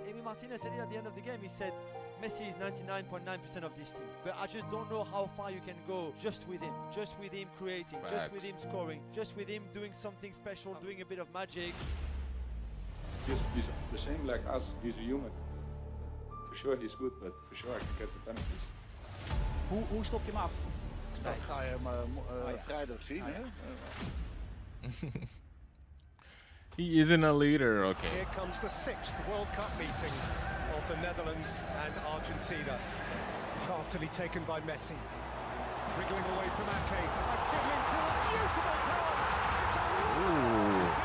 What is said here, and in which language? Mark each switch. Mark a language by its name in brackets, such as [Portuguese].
[English] And Amy Martinez said it at the end of the game. He said, Messi is 99.9% of this team, but I just don't know how far you can go just with him creating. Facts. Just with him scoring, just with him doing something special, doing a bit of magic. He's the same like us, he's a human. For sure he's good, but for sure I can catch the penalties. [Dutch] Hoe stop je hem af? Dat ga je hem vrijdag zien, hè? [English] He isn't a leader, okay. Here comes the sixth World Cup meeting of the Netherlands and Argentina. Craftily taken by Messi. Wriggling away from Ake. And fiddling through a beautiful pass. It's a